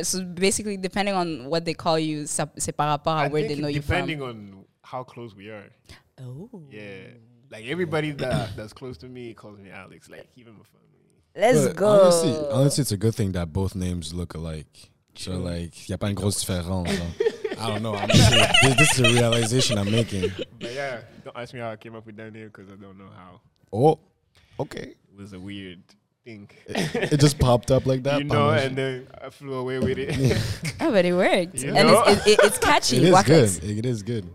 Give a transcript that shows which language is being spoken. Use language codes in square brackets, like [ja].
[en] So basically, depending on what they call you, [fr] c'est par rapport à [en] where they know you from. Depending on how close we are. Oh. Yeah. Like everybody that's close to me calls me Alex. Like even my family. Let's go. Honestly, it's a good thing that both names look alike. True. So like, [fr] y'a pas une grosse différence. [en] So. I don't know. This is a realization I'm making. But yeah, don't ask me how I came up with that name because I don't know how. Oh, okay. It was a weird thing. It just popped up like that? You know, and then I flew away with it. Yeah. Oh, but it worked. You and know? It's catchy. It is good.